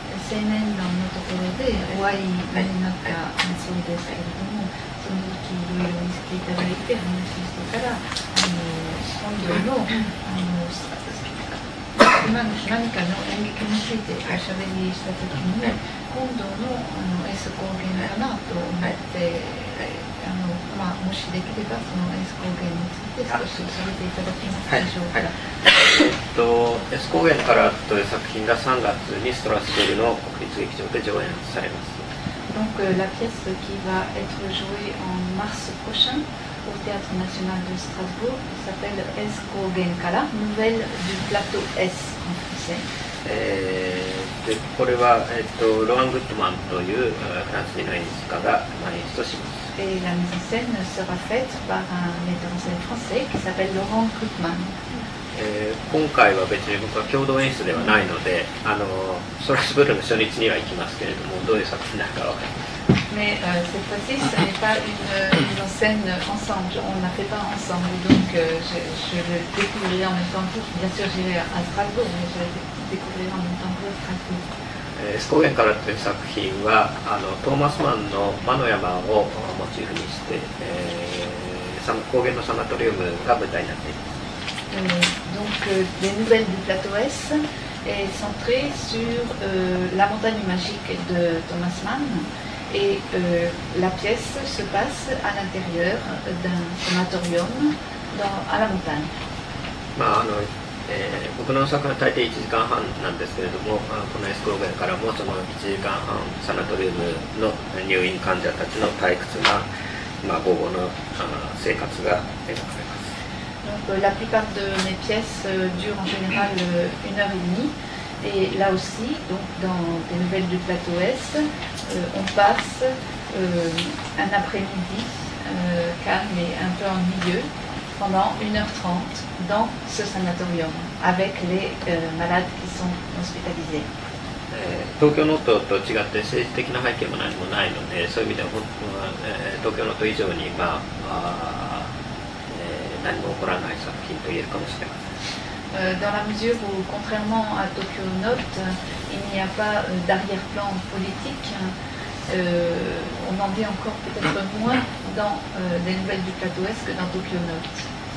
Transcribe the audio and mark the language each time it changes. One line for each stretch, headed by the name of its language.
Japanese: 青年団のところでお会いになったそうですけれども、その時いろいろ見せていただいて話してから、本業の今の何かの演劇についておしゃべりした時に、今度 の、 S 光源かなと思って、まあ、もしできればその S 光源について少し教えていただけますでしょうか。はいはい、 S 光源からという作品が3月にストラスブールの国立劇場で上演されます。
French: Donc, la pièce qui va être jouée en mars prochain au Théâtre National de Strasbourg s'appelle S 光源から Nouvelle du plateau S en français。
Japanese: でこれは、ロアン・グッドマンというフランス人の演出家が演出をします。
French: Et la mise en scène sera faite par un metteur en scène français qui s'appelle Laurent Goodman。
Japanese: 今回は別に僕は共同演出ではないので、ストラスブールの初日には行きますけれども、どういう作品になるか分かります。
French: Mais cette fois-ci, ce n'est pas une mise en scène ensemble. On ne l'a fait pas ensemble. Donc, je le découvrirai en même temps que vous. Bien sûr, j'irai à Strasbourg, mais je vais découvrir en même temps que vous.
Japanese: S 光源からという作品はトーマス・マンの魔の山をモチーフにして、光源のサナトリウムが舞台になっています。
French: Donc, les nouvelles du plateau S est centré sur la montagne magique de Thomas Mann et la pièce se passe à l'intérieur d'un sanatorium à la montagne.
Japanese: Bah, 僕の作品は大抵1時間半なんですけれども、このS光源からもその1時間半サナトリウムの入院患者たちの退屈な、まあ、午後の生活が描かれます。
French: Donc, la plupart de mes pièces durent en général une heure et demie. Et là aussi, donc, dans des nouvelles du plateau S, on passe un après-midi calme et un peu ennuyeux pendant 1h30 dans ce sanatorium avec les malades qui sont hospitalisés.
Japanese: Tokyo Noto と違って政治的な背景も何もないので、そういう意味では本当は Tokyo Noto 以上に、まあ、何も起こらない作品と言えるかもしれません。
French: Dans la mesure où, contrairement à Tokyo Note, il n'y a pas d'arrière-plan politique, on en dit encore peut-être moins dans les nouvelles du plateau S que dans Tokyo Note.